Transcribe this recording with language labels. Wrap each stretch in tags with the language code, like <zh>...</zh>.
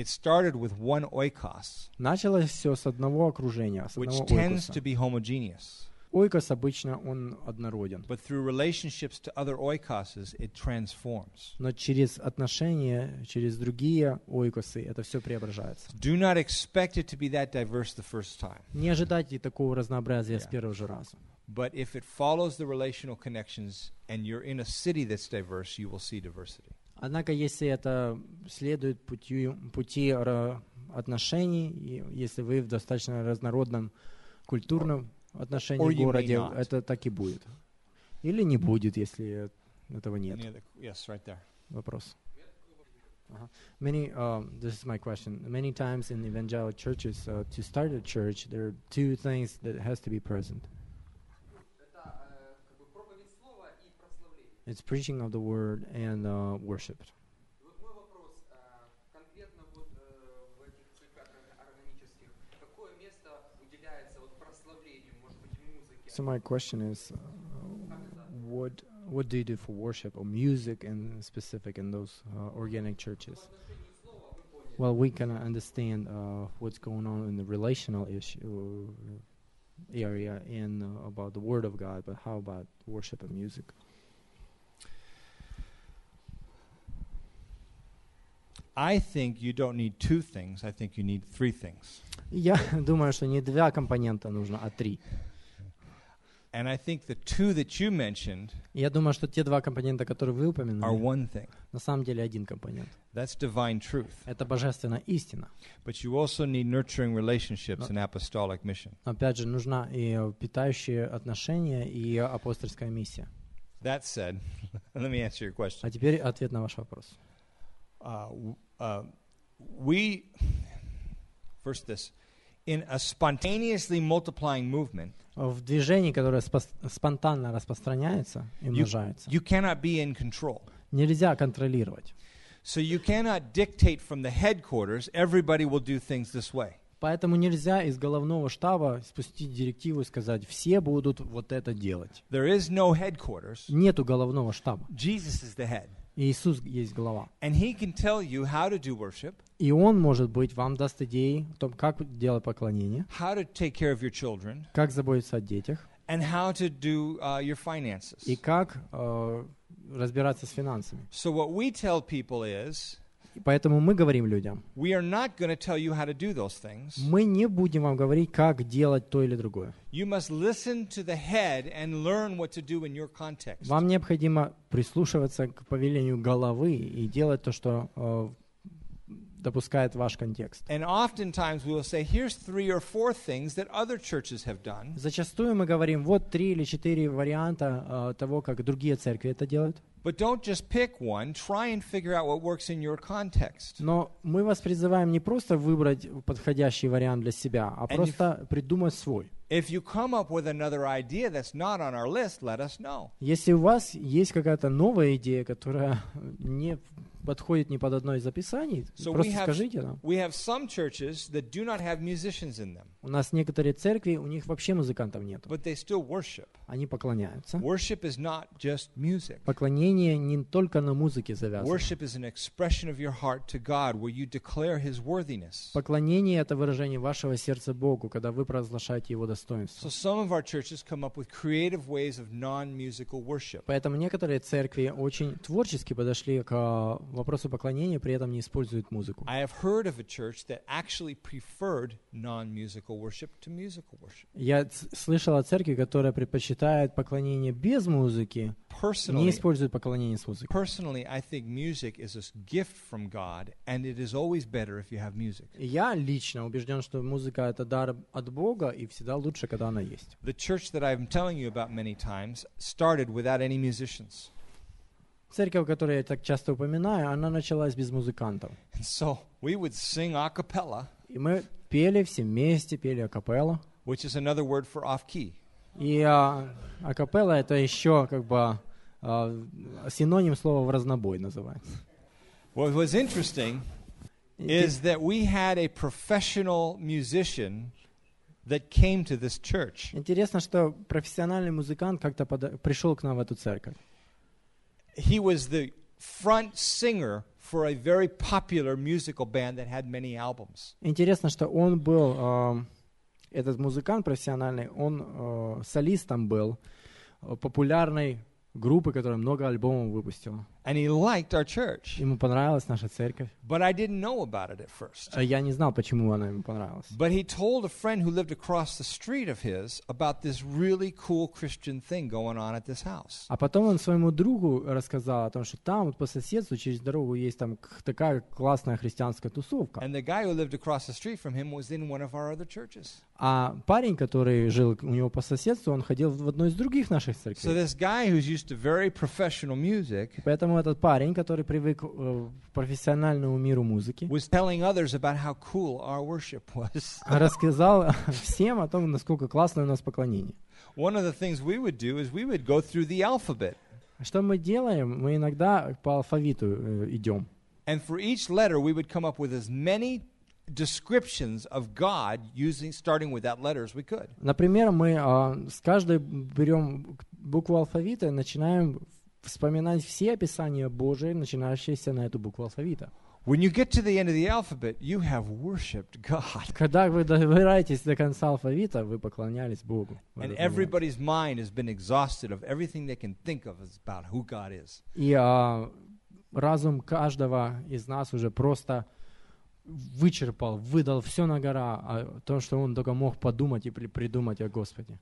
<en>It started with one oikos.</en> <ru>Началось все с одного окружения, с одного ойкоса.</ru> <en>Tends to be homogeneous.</en> <ru>Ойкос обычно он однороден.</ru> <en>But through relationships to other oikoses, it transforms.</en> <ru>Но через отношения, через другие ойкосы, это все преображается.</ru> <en>Do not expect it to be that diverse the first time.</en> <ru>Не ожидайте такого разнообразия с первого же раза.</ru> <en>But if it follows the relational connections and you're in a city that's diverse, you will see diversity.</en> <ru>Однако если это следует пути отношений, если вы в достаточно разнородном культурном отношении в городе, это так и будет. Или не будет, если этого нет.</ru> <en>Yes, right there.</en> <ru>Вопрос.</ru> <en>This is my question. Many times in evangelical churches, to start a church, there are two things that has to be present. It's preaching of the word and worship. So my question is, what do you do for worship or music in specific in those organic churches? Well, we can understand what's going on in the relational issue area and about the Word of God, but how about worship and music? I think you don't need two things. I think you need three things.</en> <ru>Я думаю, что не два компонента нужно, а три.</ru> <en>And I think the two that you mentioned,</en> <ru>я думаю, что те два компонента, которые вы упомянули,</ru> <en>are one thing.</en> <ru>На самом деле один компонент.</ru> <en>That's divine truth.</en> <ru>Это божественная истина.</ru> <en>But you also need nurturing relationships and apostolic mission.</en> <ru>Опять же, нужна и питающие отношения, и апостольская миссия.</ru> <en>That said, let me answer your question.</en> <ru>А теперь ответ на ваш вопрос.</ru> <en>First this. In a spontaneously multiplying movement,</en> <ru>в движении, которое спонтанно распространяется и умножается,</ru> <en>you cannot be in control.</en> <ru>Нельзя контролировать.</ru> <en>So you cannot dictate from the headquarters, everybody will do things this way.</en> <ru>Поэтому нельзя из головного штаба спустить директиву и сказать, все будут вот это делать.</ru> <en>There is no headquarters.</en> <ru>Нету головного штаба.</ru> <en>Jesus is the head.</en> <ru>Иисус есть глава.</ru> <en>And he can tell you how to do worship.</en> <ru>И он, может быть, вам даст идеи о том, как делать поклонение.</ru> <en>How to take care of your children.</en> <ru>Как заботиться о детях.</ru> <en>And how to do your finances.</en> <ru>И как разбираться с финансами.</ru> <en>So what we tell people is,</en> <ru>поэтому мы говорим людям,</ru> <en>we are not going to tell you how to do those things.</en> <ru>Мы не будем вам говорить, как делать то или другое.</ru> <en>You must listen to the head and learn what to do in your context.</en> <ru>Вам необходимо прислушиваться к повелению головы и делать то, что допускает ваш контекст.</ru> <en>And oftentimes we will say, here's three or four things that other churches have done.</en> <ru>Зачастую мы говорим, вот три или четыре варианта того, как другие церкви это делают.</ru> <en>But don't just pick one, try and figure out what works in your context.</en> <ru>Но мы вас призываем не просто выбрать подходящий вариант для себя, а просто придумать свой.</ru> <en>If you come up with another idea that's not on our list, let us know.</en> <ru>Если у вас есть какая-то новая идея, которая не подходит ни под одно из описаний, просто скажите нам.</ru> <en>We have some churches that do not have musicians in them.</en> <ru>У нас некоторые церкви, у них вообще музыкантов нет.</ru> <en>But they still worship.</en> <ru>Они поклоняются.</ru> <en>Worship is not just music.</en> <ru>Поклонение не только на музыке завязано.</ru> <en>Worship is an expression of your heart to God, where you declare His worthiness.</en> <ru>Поклонение — это выражение вашего сердца Богу, когда вы провозглашаете Его достоинство.</ru> <en>So some of our churches come up with creative ways of non-musical worship.</en> <ru>Поэтому некоторые церкви очень творчески подошли к вопросу поклонения, при этом не используют музыку.</ru> <en>I have heard of a church that actually preferred non-musical worship to musical worship.</en> <ru>Я слышал о церкви, которая предпочитает поклонение без музыки, не использует поклонение с музыкой.</ru> <en>Personally, I think music is a gift from God, and it is always better if you have music.</en> <ru>Я лично убежден, что музыка — это дар от Бога, и всегда лучше, когда она есть.</ru> <en>The church that I'm telling you about many times started without any musicians.</en> <ru>Церковь, которую я так часто упоминаю, она началась без музыкантов.</ru> <en>So we would sing a cappella.</en> <ru>И мы пели все вместе, пели акапелла.</ru> <en>Which is another word for off-key.</en> <ru>И акапелла — это еще как бы синоним слова в разнобой называется.</ru> <en>What was interesting is that we had a professional musician that came to this church.</en> <ru>Интересно, что профессиональный музыкант как-то пришел к нам в эту церковь.</ru> <en>He was the front singer for a very popular musical band that had many albums.</en> <ru>Интересно, что он был этот музыкант профессиональный, он солистом был популярной группы, которая много альбомов выпустила.</ru> <en>And he liked our church.</en> <ru>Ему понравилась наша церковь.</ru> <en>But I didn't know about it at first.</en> <ru>Я не знал, почему она ему понравилась.</ru> <en>But he told a friend who lived across the street of his about this really cool Christian thing going on at this house.</en> <ru>А потом он своему другу рассказал о том, что там вот по соседству через дорогу есть там такая классная христианская тусовка.</ru> <en>And the guy who lived across the street from him was in one of our other churches.</en> <ru>А парень, который жил у него по соседству, он ходил в одной из других наших церквей.</ru> <en>So this guy who's used to very professional music.</en> <ru>Поэтому этот парень, который привык к профессиональному миру музыки,</ru> <en>was telling others about how cool our worship was.</en> <ru>Рассказал всем о том, насколько классное у нас поклонение.</ru> <en>One of the things we would do is we would go through the alphabet.</en> <ru>Что мы делаем? Мы иногда по алфавиту идем.</ru> <en>And for each letter we would come up with as many descriptions of God using starting with that letter as we could.</en> <ru>Например, мы с каждой берем букву алфавита и начинаем вспоминать все описания Божии, начинающиеся на эту букву алфавита.</ru> <en>When you get to the end of the alphabet, you have worshipped God.</en> <ru>Когда вы добираетесь до конца алфавита, вы поклонялись Богу.</ru> <en>And everybody's mind has been exhausted of everything they can think of about who God is.</en> <ru>И разум каждого из нас уже просто вычерпал, выдал все на гора, а то, что он только мог подумать или придумать о Господе.</ru>